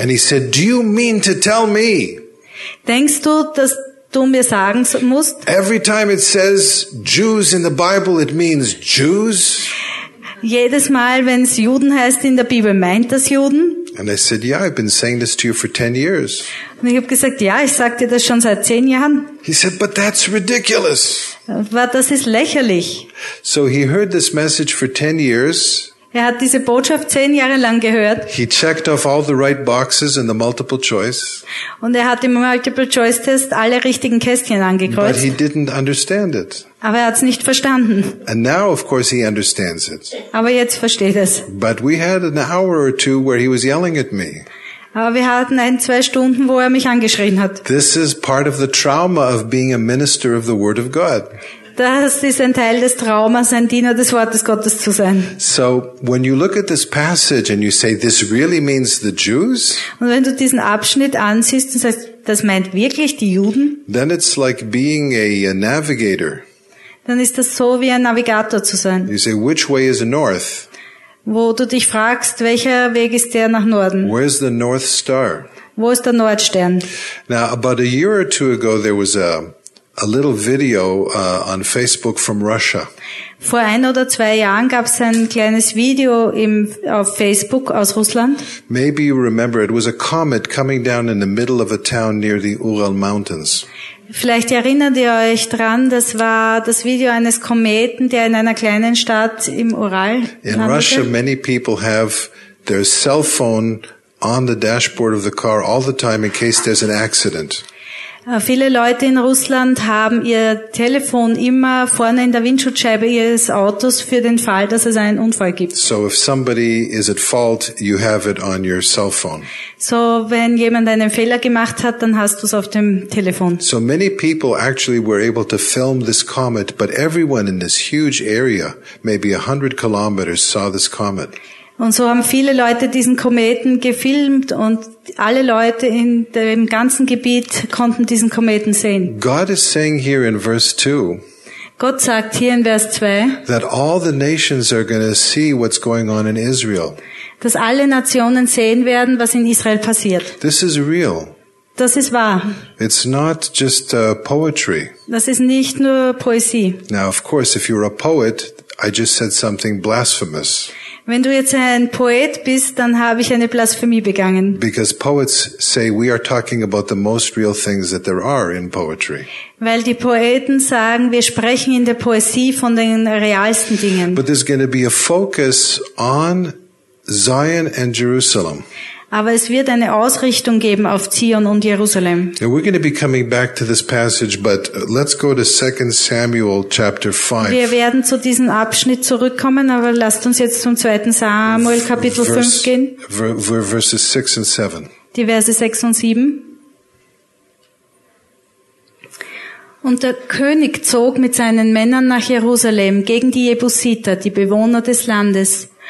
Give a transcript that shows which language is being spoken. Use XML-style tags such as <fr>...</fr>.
<en>And he said, do you mean to tell me?</en> <de>Denkst du, dass du mir sagen musst?</de> <en>Every time it says Jews in the Bible, it means Jews.</en> <de>Jedes Mal, wenn es Juden heißt in der Bibel, meint das Juden?</de> <en>And I said, yeah, I've been saying this to you for 10 years.</en> <de>Und ich habe gesagt, ja, ich sage dir das schon seit 10 Jahren.</de> <en>He said, but that's ridiculous.</en> <de>Aber das ist lächerlich.</de> <en>So he heard this message for 10 years.</en> <de>Er hat diese Botschaft 10 Jahre lang gehört.</de> <en>He checked off all the right boxes in the multiple choice.</en> <de>Und er hat im Multiple Choice Test alle richtigen Kästchen angekreuzt.</de> <en>But he didn't understand it.</en> <de>Aber er hat's nicht verstanden.</de> <en>And now, of course, he understands it.</en> <de>Aber jetzt versteht es.</de> <en>But we had an hour or two where he was yelling at me.</en> <de>Aber wir hatten 1-2 Stunden, wo er mich angeschrien hat.</de> <en>This is part of the trauma of being a minister of the Word of God.</en> <de>Das ist ein Teil des Traumas, ein Diener des Wortes Gottes zu sein.</de> <en>So, when you look at this passage and you say, this really means the Jews?</en> <de>Und wenn du diesen Abschnitt ansiehst und sagst, das meint wirklich die Juden?</de> <en>Then it's like being a navigator.</en> <de>Dann ist das so, wie ein Navigator zu sein.</de> <en>You say, which way is north?</en> <de>Wo du dich fragst, welcher Weg ist der nach Norden?</de> <en>Where is the North Star?</en> <de>Wo ist der Nordstern?</de> <en>Now, about a year or two ago, there was a little video on Facebook from Russia.</en> <de>Vor 1 oder 2 Jahren gab es ein kleines Video auf Facebook aus Russland.</de> <en>Maybe you remember, it was a comet coming down in the middle of a town near the Ural Mountains.</en> <de>Vielleicht erinnert ihr euch dran, das war das Video eines Kometen, der in einer kleinen Stadt im Ural landete.</de> <en>In Russia, many people have their cell phone on the dashboard of the car all the time in case there's an accident.</en> <de>Viele Leute in Russland haben ihr Telefon immer vorne in der Windschutzscheibe ihres Autos für den Fall, dass es einen Unfall gibt.</de> <en>So if somebody is at fault, you have it on your cell phone.</en> <de>So wenn jemand einen Fehler gemacht hat, dann hast du es auf dem Telefon.</de> <en>So many people actually were able to film this comet, but everyone in this huge area, maybe 100 kilometers, saw this comet.</en> <de>Und so haben viele Leute diesen Kometen gefilmt und alle Leute in dem ganzen Gebiet konnten diesen Kometen sehen.</de> <en>God is saying here in verse 2.</en> <de>Gott sagt hier in Vers 2.</de> <en>That all the nations are going to see what's going on in Israel.</en> <de>Dass alle Nationen sehen werden, was in Israel passiert.</de> <en>This is real.</en> <de>Das ist wahr.</de> <en>It's not just poetry.</en> <de>Das ist nicht nur Poesie.</de> <en>Now of course if you're a poet, I just said something blasphemous.</en> <de>Wenn du jetzt ein Poet bist, dann habe ich eine Blasphemie begangen.</de> <en>Because poets say we are talking about the most real things that there are in poetry.</en> <de>Weil die Poeten sagen, wir sprechen in der Poesie von den realsten Dingen.</de> <en>But there's going to be a focus on Zion and Jerusalem.</en> <de>Aber es wird eine Ausrichtung geben auf Zion und Jerusalem.</de> <en>Now we're going to be coming back to this passage, but let's go to 2 Samuel chapter 5.</en> <de>Wir werden zu diesem Abschnitt zurückkommen, aber lasst uns jetzt zum 2. Samuel Kapitel 5 gehen.</de> <en>Verses 6 and 7.</en> <de>Die Verse 6 und 7. Und der König zog mit seinen Männern nach Jerusalem gegen die Jebusiter, die Bewohner des Landes.</de>